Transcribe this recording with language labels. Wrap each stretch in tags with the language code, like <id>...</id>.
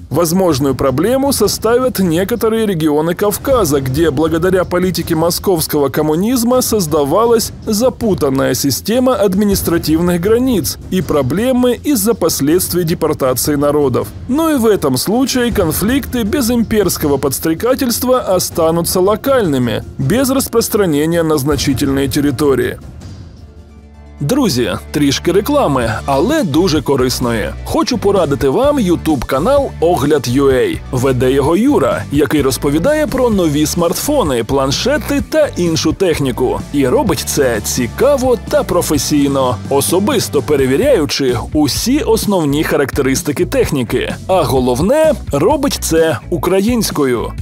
<ru>Возможную проблему составят некоторые регионы Кавказа, где благодаря политике московского коммунизма создавалась запутанная система административных границ и проблемы из-за последствий депортации народов. Но и в этом случае конфликты без имперского подстрекательства останутся локальными, без распространения на значительные территории.</ru> <uk>Друзі, трішки реклами, але дуже корисної. Хочу порадити вам YouTube-канал Огляд.ua. Веде його Юра, який розповідає про нові смартфони, планшети та іншу техніку. І робить це цікаво та професійно, особисто перевіряючи усі основні характеристики техніки. А головне, робить це українською.</uk>